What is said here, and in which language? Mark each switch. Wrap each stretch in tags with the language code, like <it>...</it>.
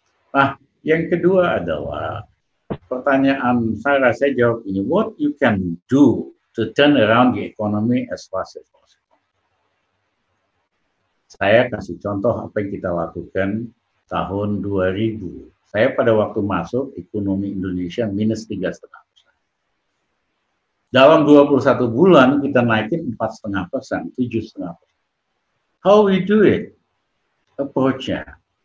<id>Nah, yang kedua adalah pertanyaan Sarah, saya jawab ini.</id> <en>What you can do to turn around the economy as fast as possible?</en> <id>Saya kasih contoh apa yang kita lakukan tahun 2000. Saya pada waktu masuk, ekonomi Indonesia minus 3,5%. Dalam 21 bulan, kita naikin 4,5%, 7,5%.</id> <en>How we do it?</en> <id>Approach-nya.</id>